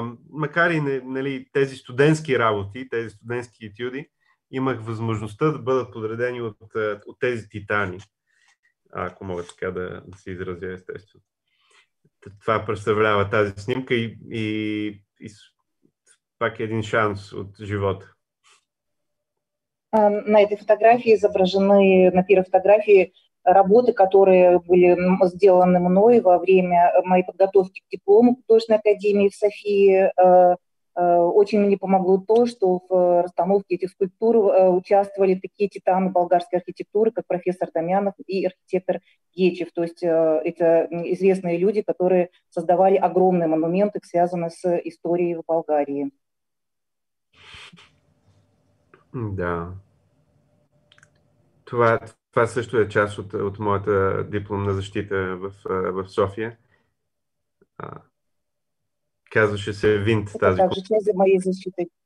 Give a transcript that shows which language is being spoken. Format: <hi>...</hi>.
<bg>макар и нали, тези студентски работи, тези студентски етюди, имах възможността да бъдат подредени от тези титани, ако мога така да се изразя естествено. Това представлява тази снимка и пак е един шанс от живота.</bg> <ru>На этой фотографии изображены, на первой фотографии, работы, которые были сделаны мной во время моей подготовки к диплому художественной академии в Софии. Очень мне помогло то, что в расстановке этих скульптур участвовали такие титаны болгарской архитектуры, как профессор Домянов и архитектор Гечев. То есть это известные люди, которые создавали огромные монументы, связанные с историей в Болгарии.</ru> <bg>Да. Това също е част от моята дипломна защита в София. Казваше се Винт. Това тази кутия. Това е за моя защита.</bg>